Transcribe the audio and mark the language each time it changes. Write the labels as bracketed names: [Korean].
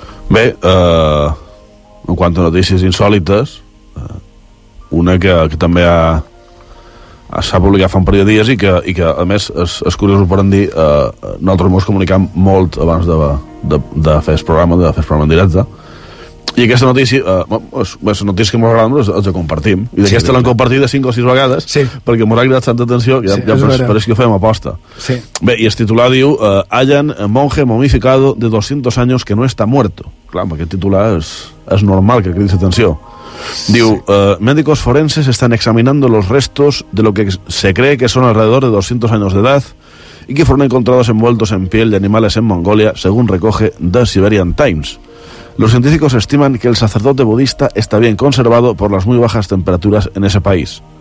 [Catalan] Bé, en quant a notícies insòlites, una que també s'ha publicat fa un parell de dies i que a més és curiós, ho podem dir, nosaltres mos comunicam molt abans de fer el programa, de fer el programa en directe. I aquesta notícia, és una notícia que ens agrada, ens la compartim. I d'aquesta sí, l'han compartida 5 o 6 vegades, sí. Perquè ens ha agradat tanta atenció, que ja pareix que ho fem a posta. Sí. Bé, i el titular diu, [Spanish] hallan monje momificado de 200 años que no está muerto. [Catalan] Clar, amb aquest titular és normal que cridis atenció. Diu, sí. [Spanish] Médicos forenses están examinando los restos de lo que se cree que son alrededor de 200 años de edad y que fueron encontrados envueltos en piel de animales en Mongolia, según recoge The Siberian Times. Los científicos estiman que el sacerdote budista está bien conservado por las muy bajas temperaturas en ese país.